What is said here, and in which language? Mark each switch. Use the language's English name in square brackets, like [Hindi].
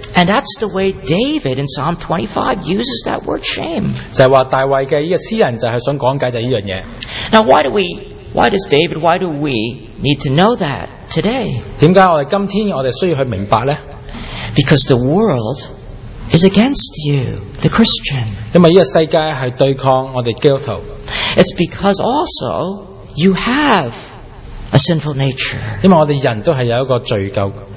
[English] And that's the way David in Psalm 25 uses that word shame. [Chinese] 就是说大卫的这个诗人就是想讲解这件事. [English] Now why do we need to know that today? [Chinese] 为什么我们今天需要去明白呢? [English] Because the world is against you, the Christian. [Chinese] 因为这个世界是对抗我们基督徒. [English] It's because also you have a sinful nature. [Chinese] 因为我们人都是有一个罪疚.